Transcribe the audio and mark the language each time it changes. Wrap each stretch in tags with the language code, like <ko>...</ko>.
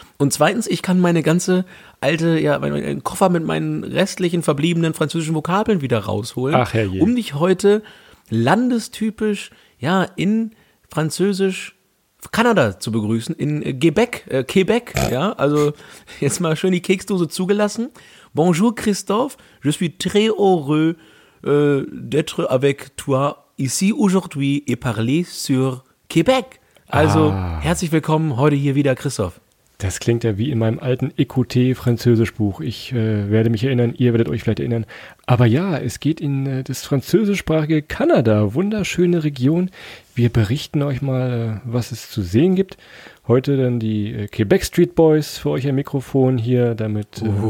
<de>Und zweitens, ich kann meine ganze alte, ja, meinen Koffer mit meinen restlichen verbliebenen französischen Vokabeln wieder rausholen. Ach, herrje. Um dich heute landestypisch, ja, in französisch Kanada zu begrüßen, in Quebec, ja, also jetzt mal schön die Keksdose zugelassen.</de> <fr>Bonjour Christoph, je suis très heureux d'être avec toi ici aujourd'hui et parler sur Québec.</fr> <de>Also herzlich willkommen heute hier wieder, Christoph. Das klingt ja wie in meinem alten EQT-Französischbuch. Ich werde mich erinnern, ihr werdet euch vielleicht erinnern. Aber ja, es geht in das französischsprachige Kanada, wunderschöne Region. Wir berichten euch mal, was es zu sehen gibt. Heute dann die Quebec Street Boys für euch am Mikrofon hier, damit...</de>